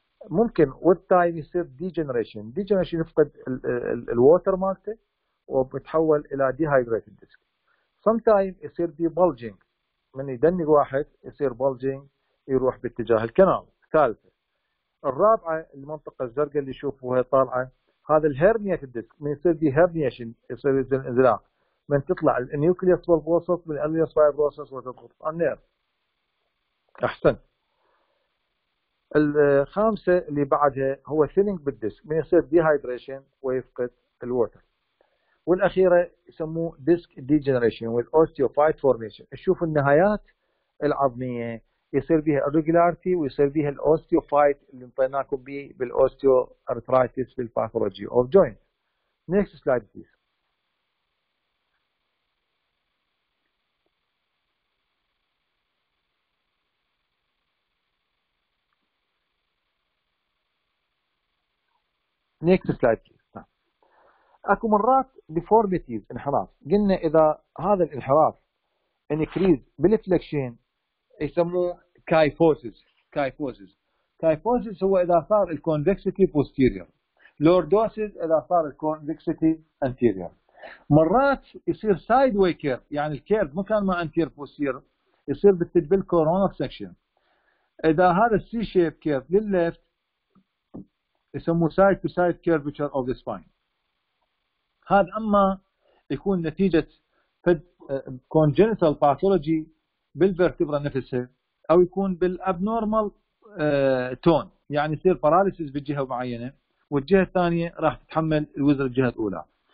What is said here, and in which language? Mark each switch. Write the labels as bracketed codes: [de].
[ar] ممكن with time يصير degeneration. Degeneration يفقد ال water مالته وبتحول إلى dehydrated disc. Sometimes يصير دي bulging، من يدني واحد يصير bulging يروح باتجاه الكنال. ثالثة الرابعة المنطقة الزرقاء اللي يشوفوها طالعة هذا الهيرنية في الديسك، من يصير دي هيرنياشن يصير انزلاق من تطلع النيوكليوس بالبوسط من النيوكليوس بالبوسط وتضغط على النيرف. أحسن. الخامسة اللي بعدها هو thinning بالديسك، من يصير dehydration ويفقد الووتر. والأخيرة يسموه [en] disc degeneration with osteophyte formation. [ar] نشوف النهايات العظمية يصير بها irregularity ويصير بها osteophyte اللي نطيناكم به بالosteoarthritis في [en] pathology of joint. Next slide please. Next slide please. [ar] اكو مرات deformities انحراف، قلنا اذا هذا الانحراف increase بالفلكشن يسموه kyphosis. [en] kyphosis kyphosis [ar] هو اذا صار [en] الconvexity posterior، lordosis اذا صار الconvexity anterior. [ar] مرات يصير sideway curve، يعني الكيرف مكان ما anterior posterior يصير بالcoronal section. [en] اذا هذا C shape curve للليفت يسموه side to side curvature of the spine. [ar] هذا أما يكون نتيجة congenital pathology بالvertebra نفسها أو يكون بالabnormal tone، يعني يصير paralysis بالجهة معينة والجهة الثانية راح تتحمل الوزر الجهة الأولى.